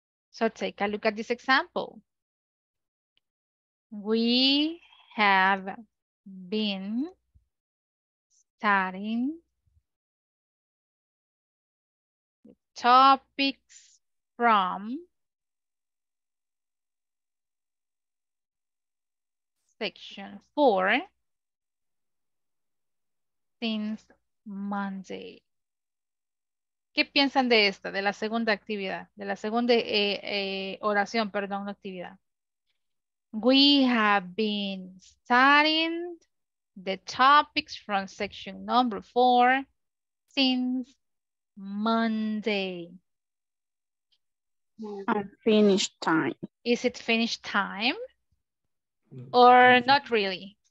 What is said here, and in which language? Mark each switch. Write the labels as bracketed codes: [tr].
[en] So take a look at this example. We have been studying the topics from 4 since Monday. [es] ¿Qué piensan de esta, de la segunda actividad, de la segunda oración, perdón, actividad? [en] We have been studying the topics from 4 since Monday. Finish time. Is it finish time? Or not really?